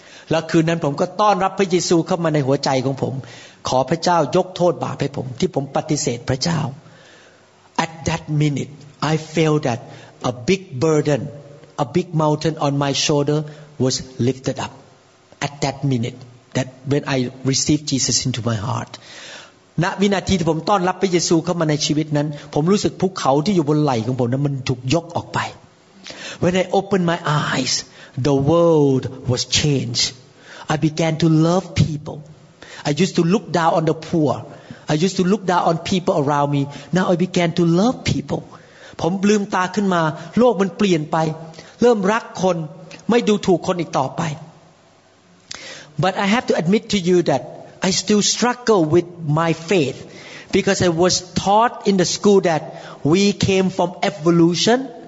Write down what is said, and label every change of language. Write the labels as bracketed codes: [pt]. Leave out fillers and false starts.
[th] และคืนนั้นผมก็ต้อนรับพระเยซูเข้ามาในหัวใจของผมขอพระเจ้ายกโทษบาปให้ผมที่ผมปฏิเสธพระเจ้า [en] At that minute I felt thatA big burden, a big mountain on my shoulder was lifted up at that minute that when I received Jesus into my heart. [th] ณวินาทีที่ผมต้อนรับพระเยซูเข้ามาในชีวิตนั้นผมรู้สึกภูเขาที่อยู่บนไหล่ของผมนั้นมันถูกยกออกไป [en] When I opened my eyes, the world was changed. I began to love people. I used to look down on the poor. I used to look down on people around me. Now I began to love people. [th] ผมลืมตาขึ้นมาโลกมันเปลี่ยนไปเริ่มรักคนไม่ดูถูกคนอีกต่อไป [en] But I have to admit to you that I still struggle with my faith because I was taught in the school that we came from evolution